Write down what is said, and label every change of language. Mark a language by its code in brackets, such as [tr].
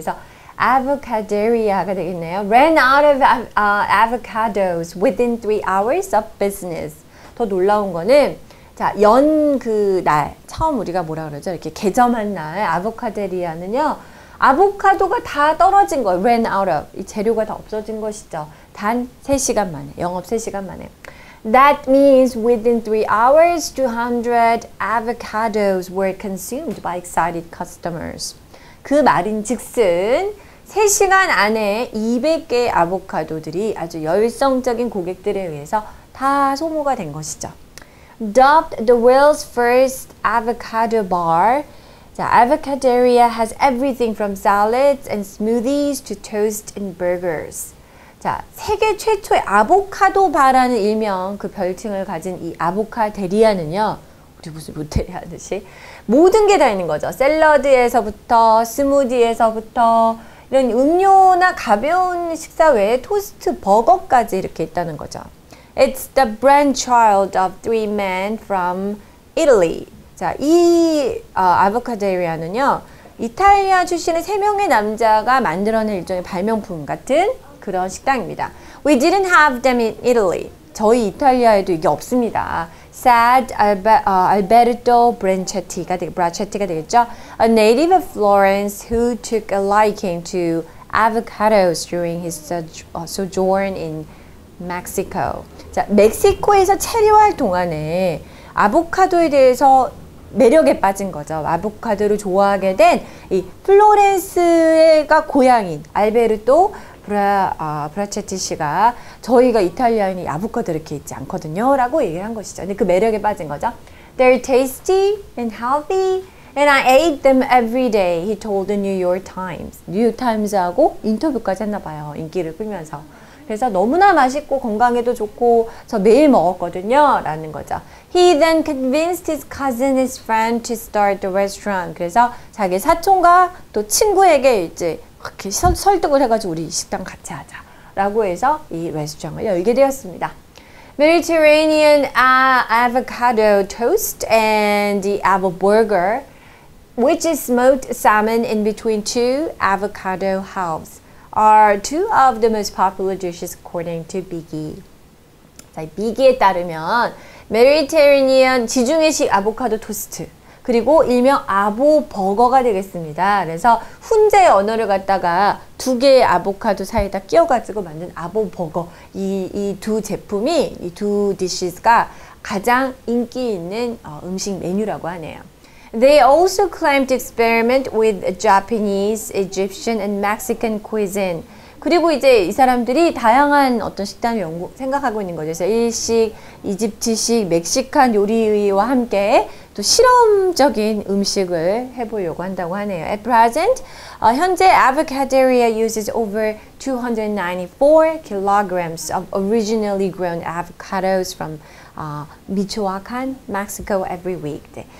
[ko] 그래서 avocaderia가 되겠네요. [en] Ran out of avocados within 3 hours of business. [ko] 더 놀라운 거는, 자, 연 그 날, 처음 우리가 뭐라 그러죠? 이렇게 개점한 날, 아보카데리아는요, 아보카도가 다 떨어진 거예요. [en] Ran out of. [ko] 이 재료가 다 없어진 것이죠. 단 3시간 만에. 영업 3시간 만에. [en] That means within 3 hours, 200 avocados were consumed by excited customers. [ko] 그 말인 즉슨 3시간 안에 200개의 아보카도들이 아주 열성적인 고객들에 의해서 다 소모가 된 것이죠. [en] Dubbed the world's first avocado bar. 자, Avocaderia has everything from salads and smoothies to toast and burgers. [ko] 자, 세계 최초의 아보카도 바라는 일명 그 별칭을 가진 이 아보카데리아는요, 우리 무슨 모테리아 듯이 모든 게 다 있는 거죠. 샐러드에서부터 스무디에서부터 이런 음료나 가벼운 식사 외에 토스트, 버거까지 이렇게 있다는 거죠. [en] It's the brainchild of three men from Italy. [ko] 자, 이 아보카데리아는요, 이탈리아 출신의 세 명의 남자가 만들어낸 일종의 발명품 같은 그런 식당입니다. [en] We didn't have them in Italy. [ko] 저희 이탈리아에도 이게 없습니다. [en] Said Alberto Bracetti가 되겠죠. A native of Florence who took a liking to avocados during his sojourn in Mexico. [ko] 자, 멕시코에서 체류할 동안에 아보카도에 대해서 매력에 빠진 거죠. 아보카도를 좋아하게 된 이 플로렌스가 고향인 알베르토 브라체티 씨가 저희가 이탈리아인이 아보카도 이렇게 있지 않거든요 라고 얘기를 한 것이죠. 근데 그 매력에 빠진 거죠. [en] They're tasty and healthy and I ate them every day, he told the New York Times. [ko] 뉴욕타임즈하고 인터뷰까지 했나 봐요. 인기를 끌면서. 그래서 너무나 맛있고 건강에도 좋고 저 매일 먹었거든요 라는 거죠. [en] He then convinced his cousin, his friend to start the restaurant. [ko] 그래서 자기 사촌과 또 친구에게 이제 그렇게 설득을 해가지고 우리 식당 같이 하자 라고 해서 이 레스토랑을 열게 되었습니다. [en] Mediterranean avocado toast and the avo burger, which is smoked salmon in between two avocado halves. are two of the most popular dishes according to Biggie. [ko] Biggie에 따르면 Mediterranean 지중해식 아보카도 토스트 그리고 일명 아보 버거가 되겠습니다. 그래서 훈제 언어를 갖다가 두 개의 아보카도 사이에다 끼워가지고 만든 아보 버거 이 두 제품이 이 두 dishes가 가장 인기 있는 음식 메뉴라고 하네요. [en] They also claim to experiment with Japanese, Egyptian, and Mexican cuisine. [ko] 그리고 이제 이 사람들이 다양한 어떤 식단을 생각하고 있는 거죠. 그래서 일식, 이집트식, 멕시칸 요리와 함께 또 실험적인 음식을 해보려고 한다고 하네요. [en] At present, 현재 Avocaderia uses over 294 kilograms of originally grown avocados from 미초아칸, 멕시코 every week. 네.